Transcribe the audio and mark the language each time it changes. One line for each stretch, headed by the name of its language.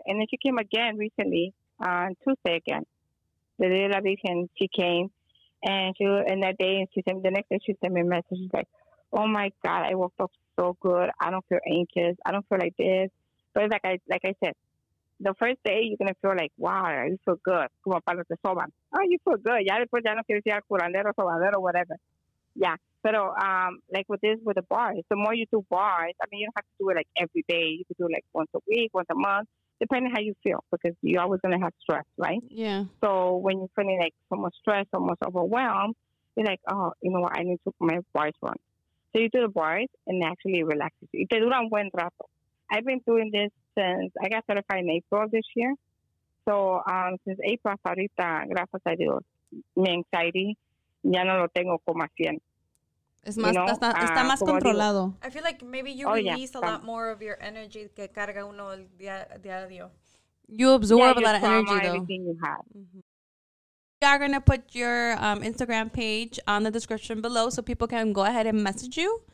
English: And then she came again recently, on Tuesday again. The day of the weekend, she came, and the next day she sent me a message. She's like, "Oh my God, I woke up so good. I don't feel anxious. I don't feel like this." But it's like I said, the first day you're gonna feel like, "Wow, you feel good."
Spanish: Como para te soban.
English: Oh, you feel good.
Spanish: Ya después ya no quieres ir al curandero, sobadero, whatever.
English: Yeah. But like with this, with the bars, the more you do bars, I mean, you don't have to do it like every day. You could do it like once a week, once a month. Depending how you feel, because you're always gonna have stress, right? Yeah. So when you're feeling like so much stress, almost overwhelmed, you're like, oh, you know what? I need to my bars run. So you do the bars and it actually relaxes you.
Spanish: Te dura un buen rato.
English: I've been doing this since I got certified in April of this year. So since April
Spanish: hasta ahorita, gracias a Dios, mi anxiety ya no lo tengo como cien. Es más,
English: you know,
Spanish: está más controlado.
English: I feel like maybe you release a lot more of your energy
Spanish: que carga uno el diario.
English: You absorb a lot of energy, though. Mm-hmm. We are going to put your Instagram page on the description below so people can go ahead and message you.